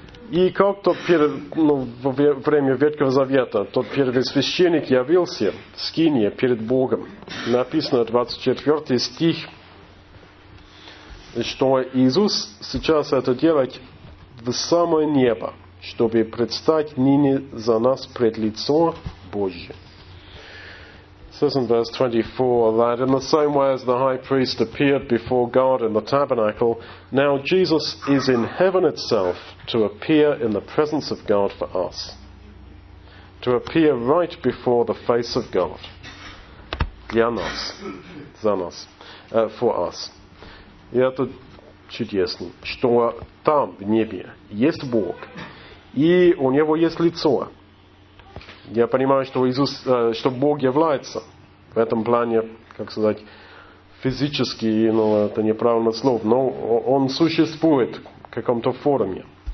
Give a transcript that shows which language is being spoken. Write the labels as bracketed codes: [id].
[ru] И как тот во время Ветхого Завета, тот первый священник явился в скинии перед Богом. Написано 24 стих, что Иисус сейчас это делает в самое небо, чтобы предстать ныне за нас пред лицо Божье. [en] Says in verse 24 that in the same way as the high priest appeared before God in the tabernacle, now Jesus is in heaven itself to appear in the presence of God for us. To appear right before the face of God. [ru] Для нас. За нас. [en] For us. [ru] И это чудесно, что там, в небе, есть Бог. И у Него есть лицо. Я понимаю, что Иисус, что Бог является в этом плане, как сказать, физически, ну, это неправильно слово, но Он существует в каком-то форме.